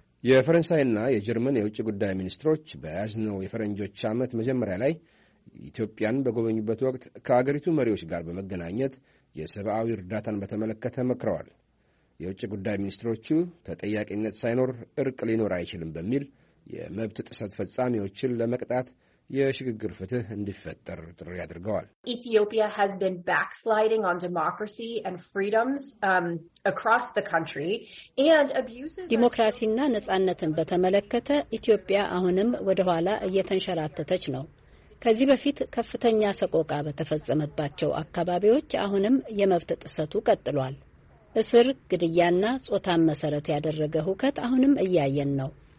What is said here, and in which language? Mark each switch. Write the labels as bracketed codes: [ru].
[am] የፈረንሳይና የጀርመን የውጭ ጉዳይ ሚኒስትሮች በያዝነው የፈረንጆች ዓመት መጀመሪያ ላይ ኢትዮጵያን በጎበኙበት ወቅት ከአገሪቱ መሪዎች ጋር በመገናኘት የሰብአዊ እርዳታን በተመለከተ መክረዋል። የውጭ ጉዳይ ሚኒስትሮቹ ተጠያቂነት ሳይኖር እርቅ ሊኖር አይችልም በሚል የመብት ጥሰት ፈጻሚዎችን ለመቅጣት የሽግግር ፍትህ እንዲፈጠር ጥሪ አድርገዋል። [en] Ethiopia has been backsliding on democracy and freedoms across the country and abuses [am] ዲሞክራሲና ነጻነትን በተመለከተ ኢትዮጵያ አሁንም ወደ ኋላ እየተንሸራተተች ነው። ከዚህ በፊት ከፍተኛ ሰቆቃ በተፈጸመባቸው አካባቢዎች አሁንም የመብት ጥሰቱ ቀጥሏል። እስር፣ ግድያና ጾታን መሰረት ያደረገ ሁከት አሁንም እያየን ነው።